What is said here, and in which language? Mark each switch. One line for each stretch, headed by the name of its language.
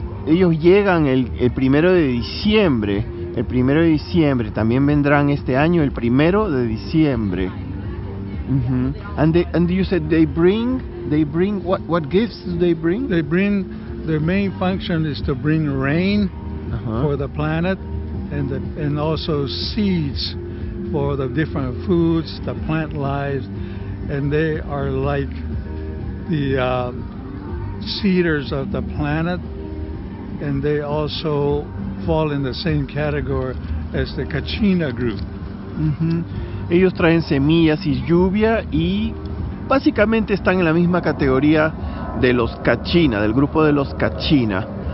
Spanish: Ellos llegan el primero de diciembre, el primero de diciembre. También vendrán este año el primero de diciembre. Uh-huh.
English: And you said they bring what gifts do they bring? They bring, their main function is to bring rain for the planet, and also seeds for the different foods, the plant lives, and they are like the seeders of the planet, and they also fall in the same category as the Kachina group. Mm-hmm.
Spanish: Ellos traen semillas y lluvia y básicamente están en la misma categoría de los Kachina, del grupo de los Kachina.